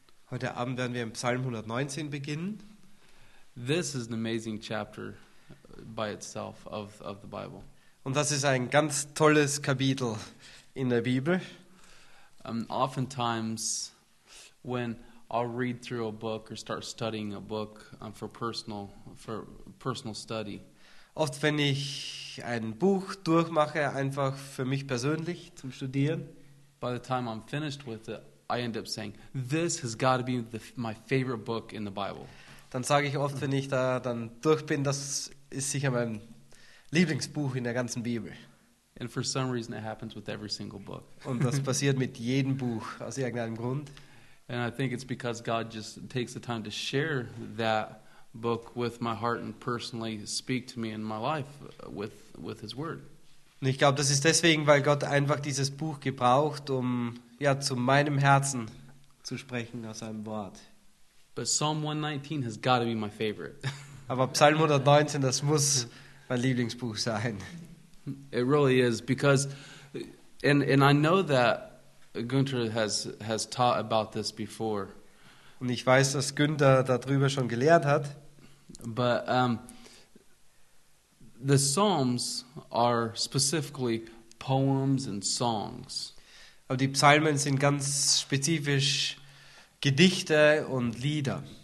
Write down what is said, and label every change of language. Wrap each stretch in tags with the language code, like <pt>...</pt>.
<de>Heute Abend werden wir im Psalm 119 beginnen.</de> <en>This is an amazing chapter by itself of the Bible.</en> <de>Und das ist ein ganz tolles Kapitel in der Bibel.</de> <en>Oftentimes, when I'll read through a book or start studying a book for personal study.</en> <de>Oft wenn ich ein Buch durchmache, einfach für mich persönlich zum Studieren.</de> <en>By the time I'm finished with it, I end up saying, "This has got to be my favorite book in the Bible."</en> <de>Dann sage ich oft, wenn ich da dann durch bin, das ist sicher mein Lieblingsbuch in der ganzen Bibel.</de> <en>And for some reason, it happens with every single book.</en> <de>Und das passiert mit jedem Buch aus irgendeinem Grund.</de> <en>And I think it's because God just takes the time to share that book with my heart and personally speak to me in my life with His Word.</en> <de>Und ich glaube, das ist deswegen, weil Gott einfach dieses Buch gebraucht, um ja zu meinem Herzen zu sprechen aus seinem Wort.</de> <en>But Psalm 119 has got to be my favorite.</en> <de>Aber Psalm 119, das muss mein Lieblingsbuch sein.</de> <en>It really is, because and I know that Günther has taught about this before.</en> <de>Und ich weiß, dass Günther darüber schon gelehrt hat.</de> <en>But the Psalms are specifically poems and songs.</en> <de>Aber die Psalmen sind ganz spezifisch Gedichte und Lieder.</de>